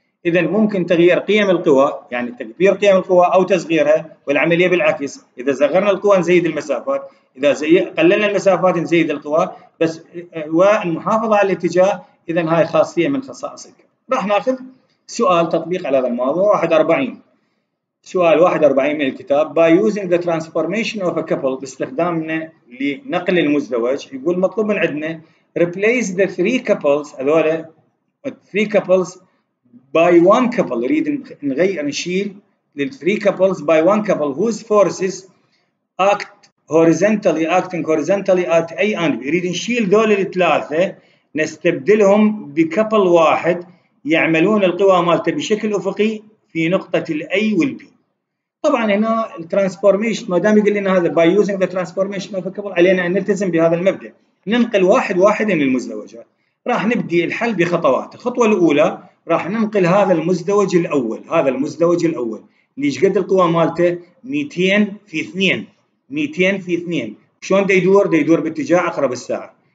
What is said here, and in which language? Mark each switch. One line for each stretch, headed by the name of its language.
Arabic: اذا ممكن تغيير قيم القوى، يعني تكبير قيم القوى او تصغيرها، والعمليه بالعكس، اذا صغرنا القوى نزيد المسافات، اذا قللنا المسافات نزيد القوى، بس والمحافظه على الاتجاه. اذا هاي خاصيه من خصائص الكبل. راح ناخذ سؤال تطبيق على هذا الموضوع 41. سؤال 41 من الكتاب،
English: by using the transformation of a couple،
Arabic: باستخدامنا لنقل المزدوج، يقول مطلوب من عندنا
English: replace the three couples،
Arabic: هذول
English: three couples by one couple،
Arabic: نريد نغير نشيل لل
English: three couples by one couple whose forces acting horizontally at A and B،
Arabic: نريد نشيل ذول الثلاثة نستبدلهم بcouple واحد يعملون القوى مالته بشكل أفقي في نقطة ال A وال B. طبعا هنا الترانسفورميشن، ما دام يقول لنا هذا باي يوزنج ذا ترانسفورميشن اوف كبل، علينا ان نلتزم بهذا المبدا، ننقل واحد واحد من المزدوجات. راح نبدي الحل بخطوات. الخطوه الاولى، راح ننقل هذا المزدوج الاول، هذا المزدوج الاول اللي ايش قد القوى مالته؟ 200 في 2، 200 في 2، شلون دا يدور؟ دا يدور باتجاه عقرب الساعه.